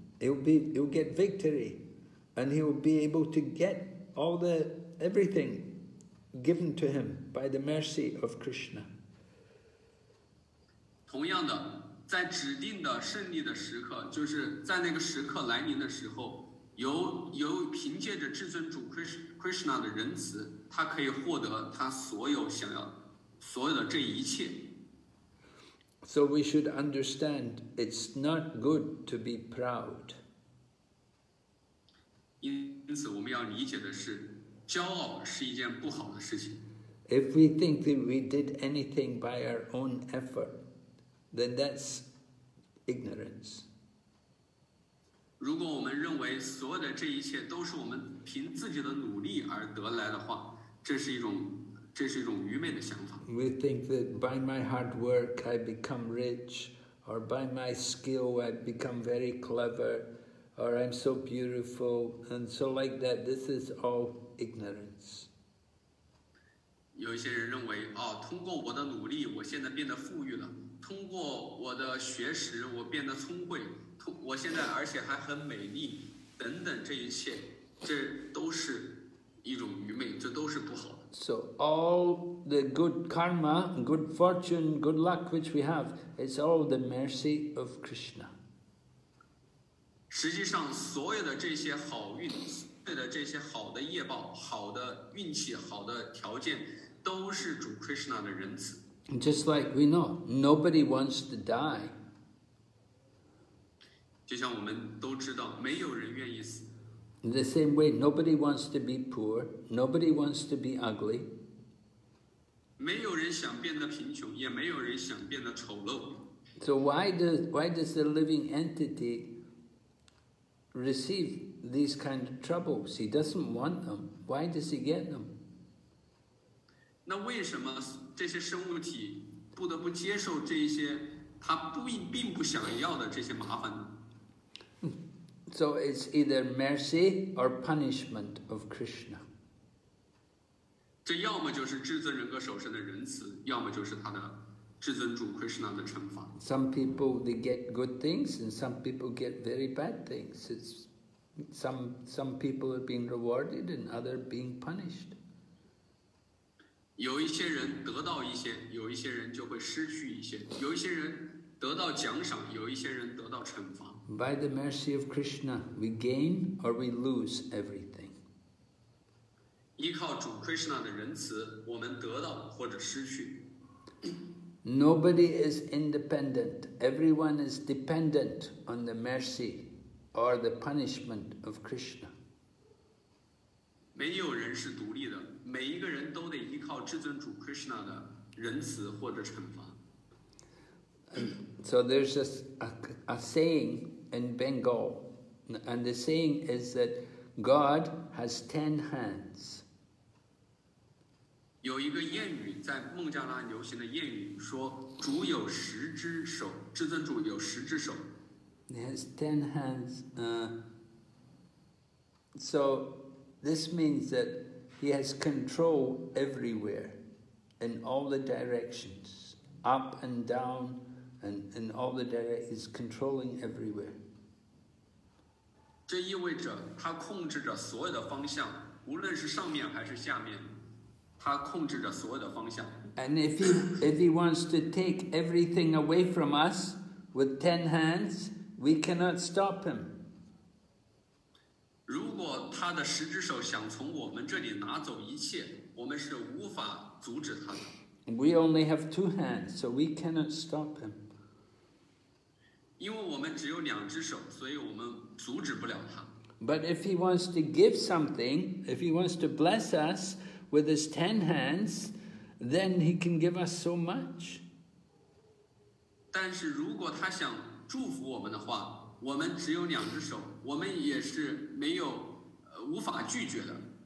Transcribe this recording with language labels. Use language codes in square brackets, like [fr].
[en] He'll get victory, and he will be able to get all the everything given to him by the mercy of Krishna. [zh] 同样的，在指定的胜利的时刻，就是在那个时刻来临的时候。由凭借着至尊主 Krishna 的仁慈，他可以获得他所有想要所有的这一切。 [en] So we should understand it's not good to be proud. [zh] 因此我们要理解的是，骄傲是一件不好的事情。 [en] If we think that we did anything by our own effort, then that's ignorance. [zh] 如果我们认为所有的这一切都是我们凭自己的努力而得来的话，这是一种愚昧的想法。 [en] We think that by my hard work I become rich, or by my skill I become very clever, or I'm so beautiful, and so like that. This is all ignorance. [zh] 有一些人认为，哦，通过我的努力，我现在变得富裕了；通过我的学识，我变得聪慧。我现在而且还很美丽，等等，这一切，这都是一种愚昧，这都是不好的。 [en] So all the good karma, good fortune, good luck which we have, it's all the mercy of Krishna. [zh] 实际上，所有的这些好运，所有的这些好的业报、好的运气、好的条件，都是主 Krishna 的仁慈。 [en] Just like we know, nobody wants to die. [zh] 就像我们都知道，没有人愿意死。 [en] In the same way, nobody wants to be poor. Nobody wants to be ugly. [zh] 没有人想变得贫穷，也没有人想变得丑陋。 [en] So why does the living entity receive these kind of troubles? He doesn't want them. Why does he get them? [zh] 那为什么这些生物体不得不接受这些他并不想要的这些麻烦呢？ [en] So it's either mercy or punishment of Krishna. [zh] 这要么就是至尊人格守身的仁慈，要么就是他的至尊主 Krishna 的惩罚。 [en] Some people they get good things, and some people get very bad things. It's some people are being rewarded, and other being punished. [zh] 有一些人得到一些，有一些人就会失去一些，有一些人得到奖赏，有一些人得到惩罚。 [en] By the mercy of Krishna, we gain or we lose everything. [zh] 依靠主 Krishna 的仁慈，我们得到或者失去。 [en] Nobody is independent. Everyone is dependent on the mercy or the punishment of Krishna. [zh] 没有人是独立的，每一个人都得依靠至尊主 Krishna 的仁慈或者惩罚。 [en] So there's a saying in Bengal, and the saying is that God has 10 hands. [zh] 有一个谚语，在孟加拉流行的谚语说，主有十只手，至尊主有十只手。 [en] He has 10 hands. So this means that he has control everywhere, in all the directions, up and down, and in all the directions, he's controlling everywhere. [zh] 这意味着他控制着所有的方向，无论是上面还是下面，他控制着所有的方向。 [en] And if he wants to take everything away from us with 10 hands, we cannot stop him. [zh] 如果他的十只手想从我们这里拿走一切，我们是无法阻止他的。 [en] We only have 2 hands, so we cannot stop him. [zh] 因为我们只有两只手，所以我们阻止不了他。 [en] But if he wants to give something, if he wants to bless us with his 10 hands, then he can give us so much. [zh] 但是如果他想祝福我们的话，我们只有两只手，我们也是没有无法拒绝的。